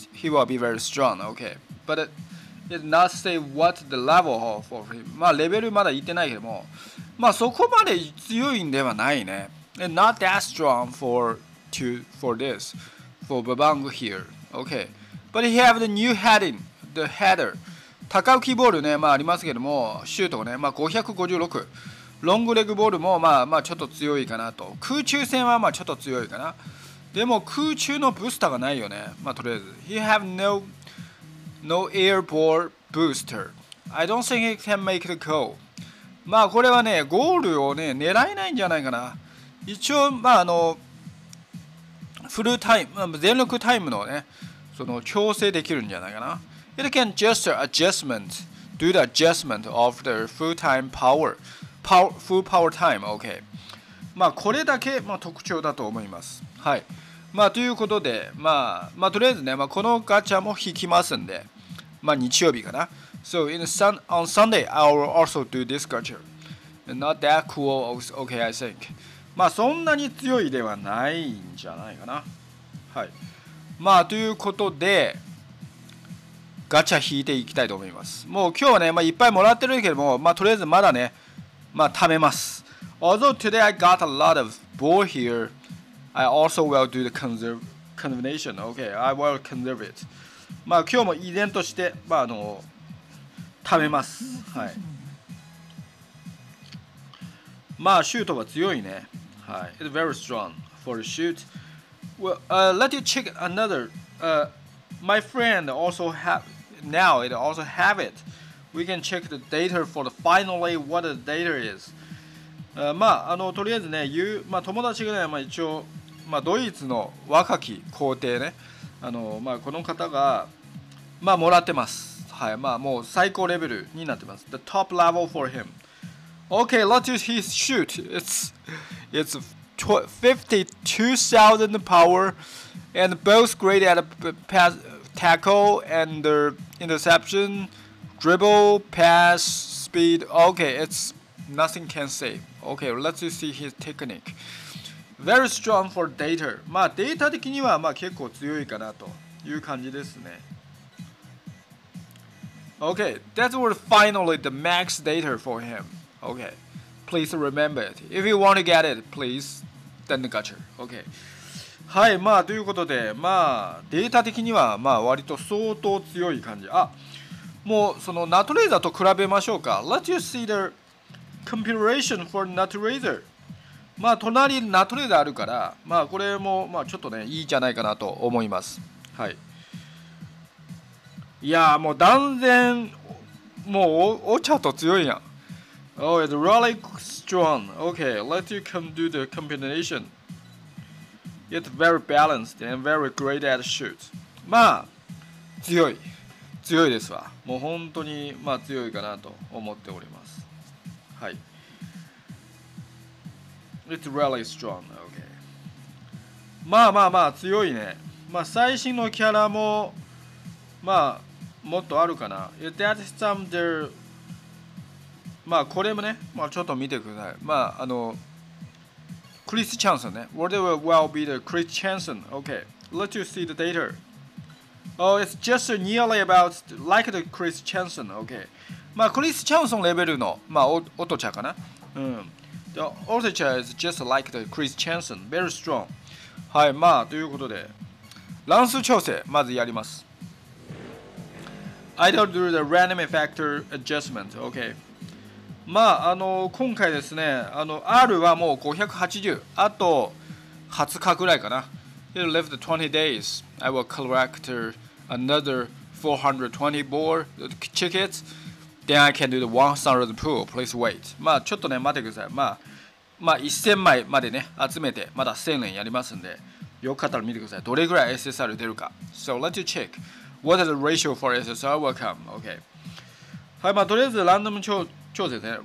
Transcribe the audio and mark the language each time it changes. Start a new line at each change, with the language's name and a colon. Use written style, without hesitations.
English: will be very strong, okay, but it's not say what the level of him,
Japanese: まあレベルまだ言ってないけども、まあそこまで強いんではないね、
English: and not that strong for this, for Bobang here, okay.But he have the new heading, the header。
Japanese: 高浮きボールね、まあありますけども、シュートがね、まあ556、ロングレグボールもまあまあちょっと強いかなと、空中戦はまあちょっと強いかな。でも空中のブースターがないよね。まあとりあえず
English: He have no air ball booster。 I don't think he can make the goal。
Japanese: まあこれはね、ゴールをね狙えないんじゃないかな。一応まああのフルタイム、全力タイムのね、その調整できるんじゃないかな。
English: It can just adjustment do the adjustment of the full time power full power time。
Japanese: OK、 まあこれだけ、まあ、特徴だと思います。はい、まあということで、まあまあとりあえずね、まあ、このガチャも引きますんで、まあ日曜日かな。
English: So in sun, on Sunday I will also do this gacha not that cool OK I think。
Japanese: まあそんなに強いではないんじゃないかな。はい、まあということでガチャ引いていきたいと思います。もう今日はね、まあ、いっぱいもらってるけども、まあとりあえずまだね、まあ貯めます。
English: Although today I got a lot of ball hereI also will do the conservation. Okay, I will conserve it.
Japanese: まあ今日も依然として、まああの、貯めます。はい。まあシュートは強いね。
English: はい。It's very strong for the shoot. Well, let you check another. My friend also have, now it also have it. We can check the data for the finally what the data is.
Japanese: まああの、とりあえずね、言う、まあ友達がね、まあ一応、まあ、ドイツの若き皇帝ね、あの、まあ、この方が、まあ、もらってます。はい、まあ、もう最高レベルになってます。
English: The top level for him. Okay, let's see his shoot. It's 52,000 power and both great at pass, tackle and interception, dribble, pass, speed. Okay, it's nothing can say. Okay, let's see his technique. Very strong for data.
Japanese: まあデータ的にはまあ結構強いかなという感じですね。
English: Okay, that was finally the max data for him. Okay, please remember it. If you want to get it, please then the gacha. Okay.
Japanese: はい、まあということで、まあデータ的にはまあ割と相当強い感じ。あ、もうそのナトレーザーと比べましょうか。
English: Let you see the comparison for ナトレーザー。
Japanese: まあ、隣にナトレーザーあるから、まあ、これもまあちょっとね、いいじゃないかなと思います。はい。いやー、もう断然、もう お茶と強いやん。
English: Oh, it's really strong. Okay, let you come do the combination. It's very balanced and very great at shoot.
Japanese: まあ、強い。強いですわ。もう本当に、まあ、強いかなと思っております。はい。
English: It's really strong. Okay.
Japanese: まあまあまあ強いね。まあ最新のキャラもまあもっとあるかな。
English: That some there.
Japanese: まあこれもね、まあちょっと見てください。まああのクリスチャンソンね。
English: What will be the Chris Chanson? Okay. Let you see the data. Oh, it's just nearly about like the Chris Chanson. Okay.
Japanese: まあクリスチャンソンレベルのまあオトチャかな。うん。
English: The Orsica is just like the Chris Chanson, very strong.
Japanese: はい、まあということで、乱数調整まずやります。
English: I don't do the random factor adjustment. Okay.
Japanese: まああの今回ですね、あの R はもう580、あと20日くらいかな。
English: It left 20 days. I will collect another 420 ball tickets. Then I can do the 1,000 pool. Please wait.
Japanese: まあちょっとね待ってください。まあまあ1000枚までね集めてまだ1000連やりますんで、よかったら見てください。どれぐらい SSR 出るか。
English: So let you check. What is the ratio for SSR will come? Okay.
Japanese: はい、まあとりあえずランダム調整ね。